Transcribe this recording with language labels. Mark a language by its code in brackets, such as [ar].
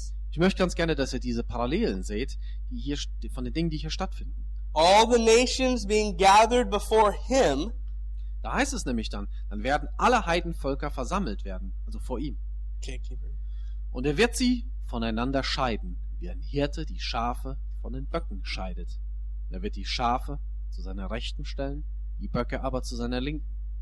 [de] Ich möchte ganz gerne, dass ihr diese Parallelen seht, die hier, von den Dingen, die hier stattfinden. [en] All the nations being gathered before him. [de] Da heißt es nämlich dann, dann werden alle Heidenvölker versammelt werden, also vor ihm. Und er wird sie voneinander scheiden, wie ein Hirte die Schafe von den Böcken scheidet. Er wird die Schafe zu seiner Rechten stellen, die Böcke aber zu seiner Linken.